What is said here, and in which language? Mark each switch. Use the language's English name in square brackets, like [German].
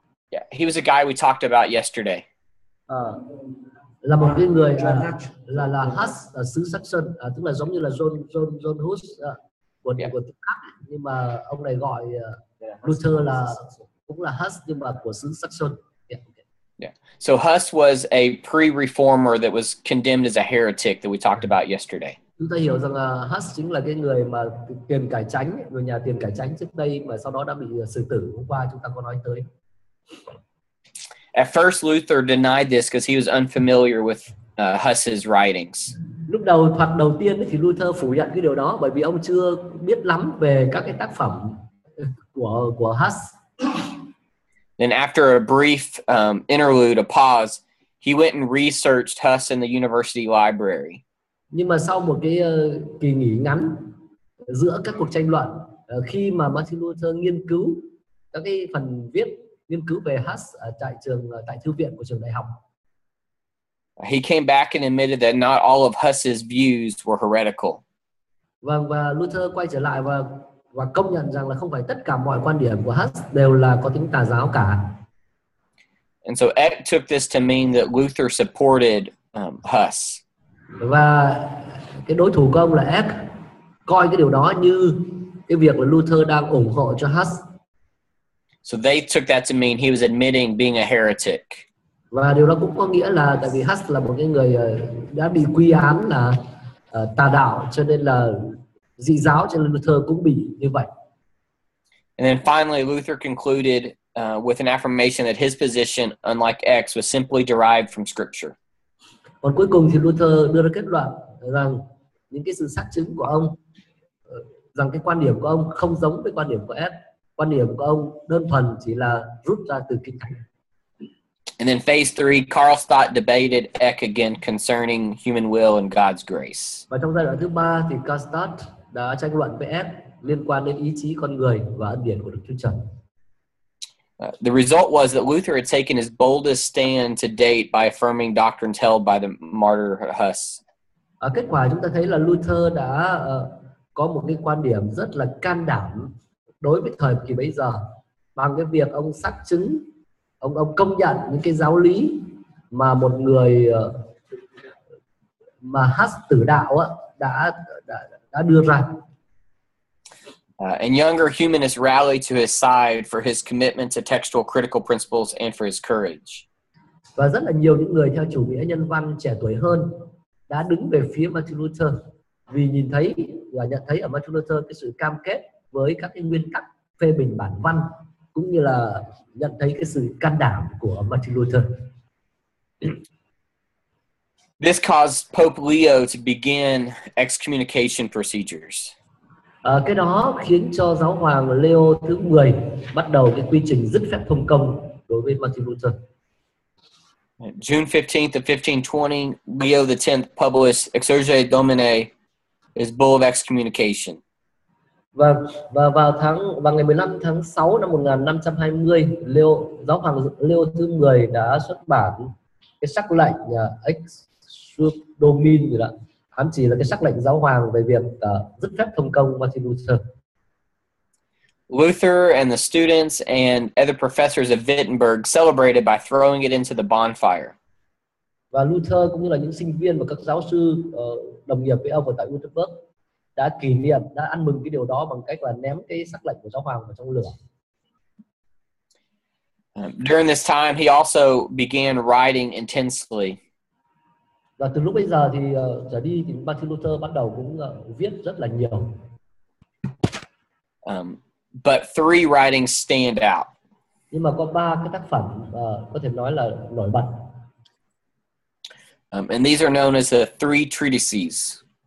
[English] Yeah, he was a guy we talked about yesterday. [Vietnamese] Là một cái người là Huss ở xứ Saxon, tức là giống như là John Huss của yeah. Của Pháp, nhưng mà ông này gọi Luther là cũng là Huss nhưng mà của xứ Saxon. Yeah. [English] So Huss was a pre-reformer that was condemned as a heretic that we talked about yesterday. [Vietnamese] Chúng ta hiểu rằng Huss chính là cái người mà tiền cải chánh, người nhà tiền cải chánh trước đây mà sau đó đã bị xử tử hôm qua chúng ta có nói tới. [English] At first, Luther denied this because he was unfamiliar with Huss's writings. [Vietnamese] Lúc đầu, thoạt đầu tiên thì Luther phủ nhận cái điều đó bởi vì ông chưa biết lắm về các cái tác phẩm của Huss. [English] Then after a brief interlude, a pause, he went and researched Huss in the university library. [Vietnamese] Nhưng mà sau một cái kỳ nghỉ ngắn giữa các cuộc tranh luận, khi mà Martin Luther nghiên cứu các cái phần viết nghiên cứu về Huss tại trường tại thư viện của trường đại học. [English] He came back and admitted that not all of Huss's views were heretical. [Vietnamese] Vâng, và Luther quay trở lại và công nhận rằng là không phải tất cả mọi quan điểm của Huss đều là có tính tà giáo cả. [English] And so Eck took this to mean that Luther supported Huss. [Vietnamese] Và cái đối thủ của ông là Eck coi cái điều đó như cái việc là Luther đang ủng hộ cho Huss. [English] So they took that to mean he was admitting being a heretic. [Vietnamese] Và điều đó cũng có nghĩa là tại vì Huss là một cái người đã bị quy án là tà đạo cho nên là dị giáo cho nên Luther cũng bị như vậy. [English] And then finally Luther concluded with an affirmation that his position, unlike X, was simply derived from scripture. [Vietnamese] Còn cuối cùng thì Luther đưa ra kết luận rằng những cái sự xác chứng của ông rằng cái quan điểm của ông không giống với quan điểm của X. Quan điểm của ông đơn thuần chỉ là rút ra từ kinh thánh. [English] And then phase three, Carl Stott debated Eck again concerning human will and God's grace. [Vietnamese] Và trong giai đoạn thứ ba thì Carl Stott đã tranh luận với Eck liên quan đến ý chí con người và ân điển của Đức Chúa Trời. [English] The result was that Luther had taken his boldest stand to date by affirming doctrines held by the martyr Huss. [Vietnamese] Kết quả chúng ta thấy là Luther đã có một cái quan điểm rất là can đảm đối với thời kỳ bấy giờ bằng cái việc ông xác chứng ông công nhận những cái giáo lý mà một người mà Huss tử đạo đã đưa ra. [English] And younger humanists rallied to his side for his commitment to textual critical principles and for his courage. [Vietnamese] Và rất là nhiều những người theo chủ nghĩa nhân văn trẻ tuổi hơn đã đứng về phía Martin Luther vì nhìn thấy và nhận thấy ở Martin Luther cái sự cam kết với các cái nguyên tắc phê bình bản văn cũng như là nhận thấy cái sự can đảm của Martin Luther. [English] This caused Pope Leo to begin excommunication procedures. [Vietnamese] Cái đó khiến cho giáo hoàng Leo thứ 10 bắt đầu cái quy trình dứt phép thông công đối với Martin Luther. [English] June 15th of 1520, Leo the 10th published Exsurge Domine, his bull of excommunication. [Vietnamese] Và vào tháng vào ngày 15 tháng 6 năm 1520, Leo giáo hoàng Leo thứ 10 đã xuất bản cái sắc lệnh Exsurge Domine gì đó, ám chỉ là cái sắc lệnh giáo hoàng về việc dứt phép thông công Martin Luther. [English] Luther and the students and other professors of Wittenberg celebrated by throwing it into the bonfire. [Vietnamese] Và Luther cũng như là những sinh viên và các giáo sư đồng nghiệp với ông ở tại Wittenberg đã kỷ niệm, đã ăn mừng cái điều đó bằng cách là ném cái sắc lệnh của giáo hoàng vào trong lửa. [English] During this time, he also began writing intensely. [Vietnamese] Và từ lúc bây giờ thì trở đi thì Martin Luther bắt đầu cũng viết rất là nhiều. [English] But three writings stand out. [Vietnamese] Nhưng mà có ba cái tác phẩm có thể nói là nổi bật. [English] And these are known as the three treatises.